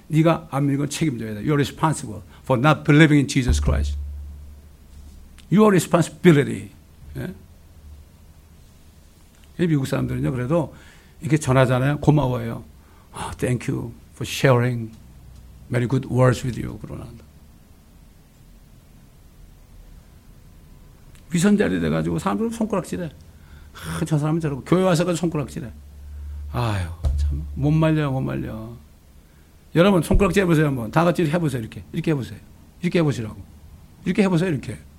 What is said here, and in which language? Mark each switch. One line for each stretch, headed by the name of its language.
Korean: 네가 안 믿는 건 책임져야 돼.
English: You are responsible for not believing in Jesus Christ. You are responsibility.
Korean: 예? 미국 사람들은요 그래도 이렇게 전하잖아요. 고마워요.
English: Oh, thank you for sharing. Very good words with you.
Korean: 그러나. 위선자리 돼가지고 사람들은 손가락질해. 아, 저 사람은 저러고. 교회 와서까지 손가락질해. 아유, 참. 못 말려요, 못 말려. 여러분, 손가락질 해보세요, 한번. 다 같이 해보세요, 이렇게. 이렇게 해보세요. 이렇게 해보시라고. 이렇게 해보세요, 이렇게.